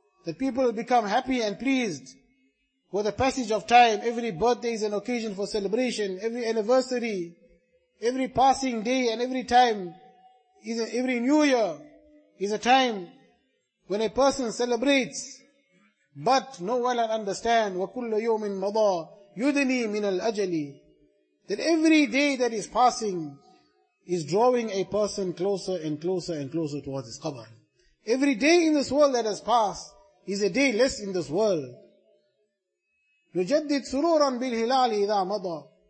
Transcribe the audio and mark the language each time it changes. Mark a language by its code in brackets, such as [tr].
[en] That people become happy and pleased with the passage of time. Every birthday is an occasion for celebration. Every anniversary, every passing day and every time, every new year is a time when a person celebrates. But know well and understand, [ar] وَكُلَّ يَوْمٍ مَضَى يُدْنِي مِنَ الْأَجَلِ. [en] That every day that is passing is drawing a person closer and closer and closer towards his qabr. Every day in this world that has passed is a day less in this world. [ar] يُجَدِّدْ سُرُورًا بِالْهِلَالِ إِذَا مَضَى.